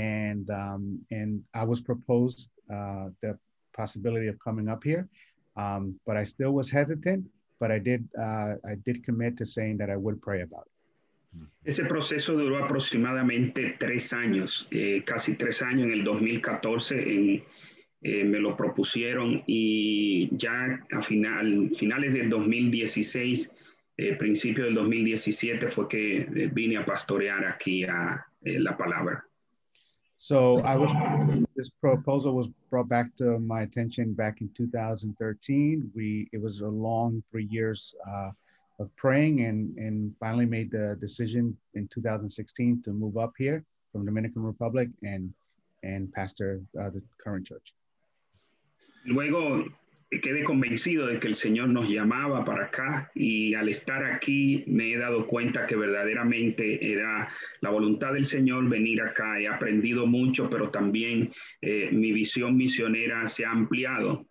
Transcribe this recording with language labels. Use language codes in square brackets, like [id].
[en] And I was proposed the possibility of coming up here, but I still was hesitant, but I did commit to saying that I would pray about it. [es] Ese proceso duró aproximadamente 3 años, casi 3 años. En el 2014 me lo propusieron y ya a finales del 2016, principio del 2017 fue que vine a pastorear aquí a La Palabra. [en] So this proposal was brought back to my attention back in 2013. It was a long 3 years of praying and finally made the decision in 2016 to move up here from Dominican Republic and pastor the current church. [es] Luego quedé convencido de que el Señor nos llamaba para acá y al estar aquí me he dado cuenta que verdaderamente era la voluntad del Señor venir acá. He aprendido mucho, pero también mi visión misionera se ha ampliado.